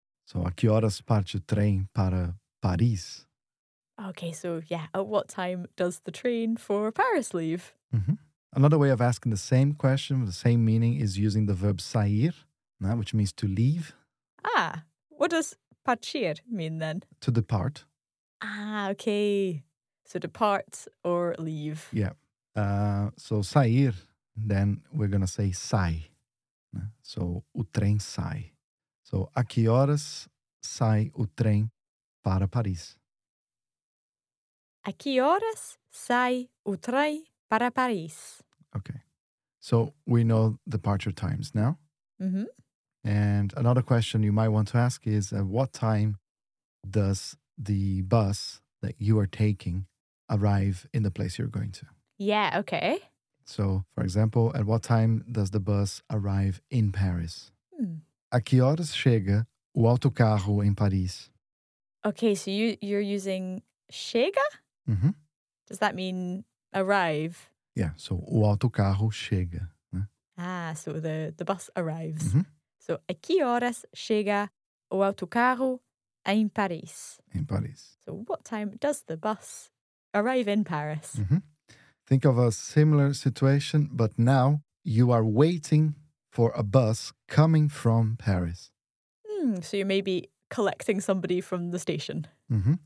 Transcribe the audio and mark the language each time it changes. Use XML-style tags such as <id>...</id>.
<pt>So, a que horas parte o trem para Paris?</pt> <en>Okay, so yeah, at what time does the train for Paris leave? Mm-hmm. Another way of asking the same question with the same meaning is using the verb sair, which means to leave. Ah, what does partir mean then? To depart. Ah, okay. So depart or leave. Yeah. So sair, then we're going to say sai. So o trem sai. So a que horas sai o trem para Paris? A que horas sai o trem para Paris? Okay. So we know departure times now. Mm-hmm. And another question you might want to ask is, at what time does the bus that you are taking arrive in the place you're going to? Yeah, okay. So, for example, at what time does the bus arrive in Paris? Hmm.</en> <pt>A que horas chega o autocarro em Paris?</pt> <en>Okay, so you're using chega? Mm-hmm. Does that mean arrive? Yeah, so</en> <pt>o autocarro chega.</pt> <en>Ah, so the bus arrives. Mm-hmm.</en> <pt>So, a que horas chega o autocarro em Paris?</pt> <en>In Paris. So, what time does the bus arrive in Paris? Mm-hmm. Think of a similar situation, but now you are waiting for a bus coming from Paris. Mm, so, you may be collecting somebody from the station. Mm-hmm.</en>